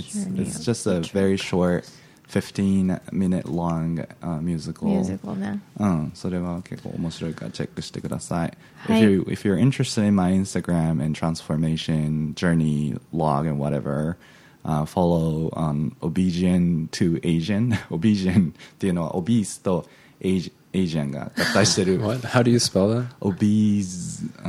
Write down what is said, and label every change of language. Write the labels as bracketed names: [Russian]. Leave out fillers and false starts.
[English] It's just a very short 15-minute long musical. [Japanese] Musical, ね。うん、それは結構面白いからチェックしてください。はい。 [English] If you're interested in my Instagram and transformation journey log and whatever, follow on Obesian to Asian. [Japanese] Obesian っていうのは obese と Asian が合体してる。 [English] What? How do you spell that? Obese.